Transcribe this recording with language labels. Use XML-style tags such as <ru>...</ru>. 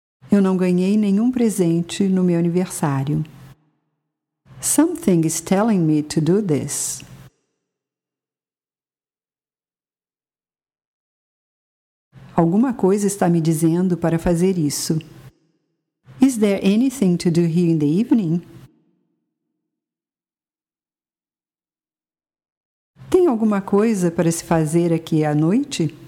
<pt>Eu não ganhei nenhum presente no meu aniversário.</pt> <en>Something is telling me to do this.</en> <pt>Alguma coisa está me dizendo para fazer isso.</pt> <en>Is there anything to do here in the evening?</en> <pt>Tem alguma coisa para se fazer aqui à noite?</pt>